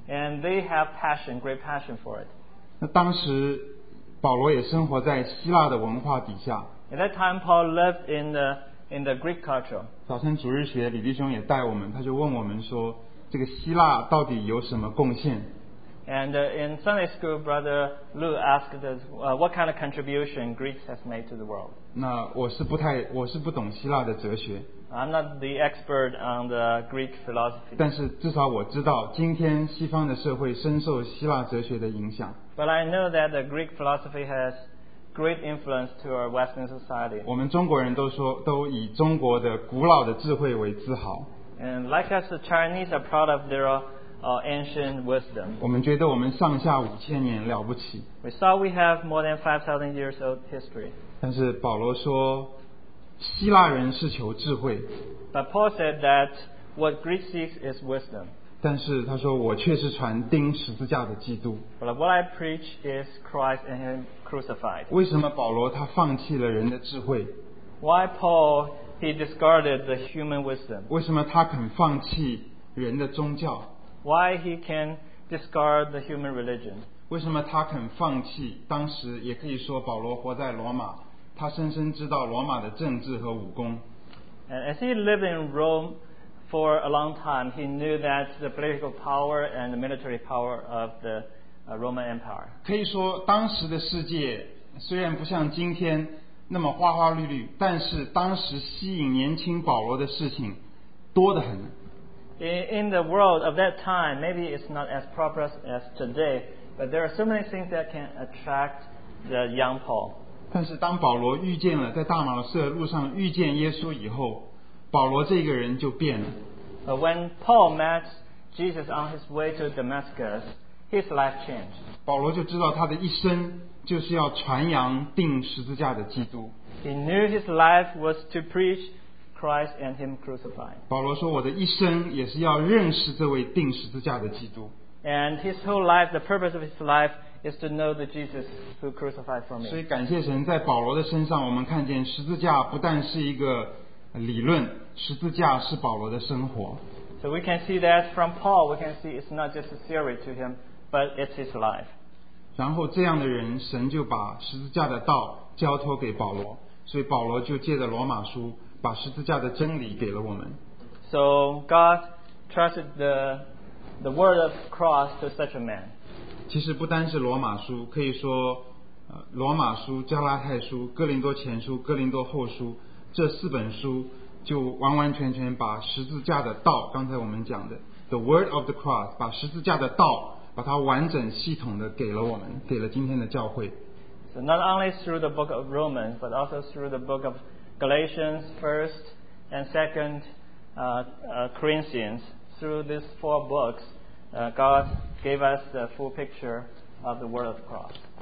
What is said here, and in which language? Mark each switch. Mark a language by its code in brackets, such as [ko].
[en] And they have passion, great passion for it. [zh] 那当时保罗也生活在希腊的文化底下。 [en] At that time, Paul lived in the Greek culture. [zh] 早晨主日学，李弟兄也带我们，他就问我们说，这个希腊到底有什么贡献？ [en] And in Sunday school, Brother Lou asked us, what kind of contribution Greeks has made to the world? [zh] 那我是不懂希腊的哲学。 [en] I'm not the expert on the Greek philosophy. [zh] 但是至少我知道，今天西方的社会深受希腊哲学的影响。 [en] But I know that the Greek philosophy has great influence to our Western society. [zh] 我们中国人都以中国的古老的智慧为自豪。 [en] And like us, the Chinese are proud of their ancient wisdom. [zh] 我们觉得我们上下五千年了不起。 [en] We saw we have more than 5,000 years old history. [zh] 但是保罗说，希腊人是求智慧。 [en] But Paul said that what Greek seeks is wisdom. [zh] 但是他说，我却是传钉十字架的基督。 [en] But what I preach is Christ and Him crucified. [zh] 为什么保罗他放弃了人的智慧？ [en] Why Paul he discarded the human wisdom? [zh] 为什么他肯放弃人的宗教？ [en] Why he can discard the human religion? [zh] 为什么他肯放弃？当时也可以说保罗活在罗马，他深深知道罗马的政治和武功。 [en] And as he lived in Rome for a long time, he knew that the political power and the military power of the Roman Empire. [zh] 可以说当时的世界虽然不像今天那么花花绿绿，但是当时吸引年轻保罗的事情多得很。 [en] In the world of that time, maybe it's not as prosperous as today, but there are so many things that can attract the young Paul. [zh] 但是当保罗遇见了在大马士的路上遇见耶稣以后，保罗这个人就变了。 [en] When Paul met Jesus on his way to Damascus, his life changed. [zh] 保罗就知道他的一生就是要传扬钉十字架的基督。 [en] He knew his life was to preach Christ and him crucified. [zh] 保罗说我的一生也是要认识这位钉十字架的基督。 [en] And his whole life, the purpose of his life is to know the Jesus who crucified for me. [zh] 所以感谢神，在保罗的身上我们看见十字架不但是一个理论，十字架是保罗的生活。 [en] So we can see that from Paul, we can see it's not just a theory to him, but it's his life. [zh] 然后这样的人，神就把十字架的道交托给保罗，所以保罗就借着罗马书把十字架的真理给了我们。 [en] So God trusted the word of cross to such a man. [zh] 其实不单是罗马书，可以说罗马书、加拉太书、哥林多前书、哥林多后书。这四本书就完完全全把十字架的道，刚才我们讲的 [en] The word of the cross， [zh] 把十字架的道把它完整系统的给了我们，给了今天的教会。 [en] So not only through the book of Romans, but also through the book of Galatians, 1st and 2nd Corinthians, through these four books, God gave us the full picture of the word of the cross.